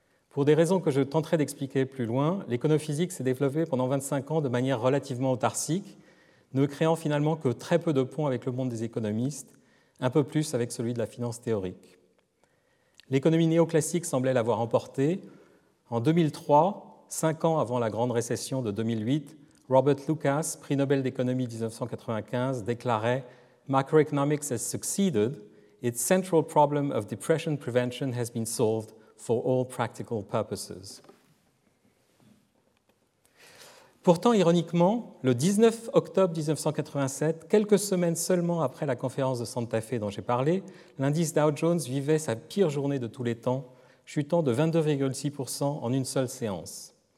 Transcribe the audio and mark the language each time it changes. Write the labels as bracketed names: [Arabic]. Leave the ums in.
[French] Pour des raisons que je tenterai d'expliquer plus loin, l'éconophysique s'est développée pendant 25 ans de manière relativement autarcique, ne créant finalement que très peu de ponts avec le monde des économistes, un peu plus avec celui de la finance théorique. L'économie néoclassique semblait l'avoir emporté. En 2003, cinq ans avant la grande récession de 2008, Robert Lucas, prix Nobel d'économie 1995, déclarait [English] Macroeconomics has succeeded. Its central problem of depression prevention has been solved for all practical purposes. [French] Pourtant, ironiquement, le 19 octobre 1987, quelques semaines seulement après la conférence de Santa Fe dont j'ai parlé, l'indice Dow Jones vivait sa pire journée de tous les temps, chutant de 22,6% en une seule séance.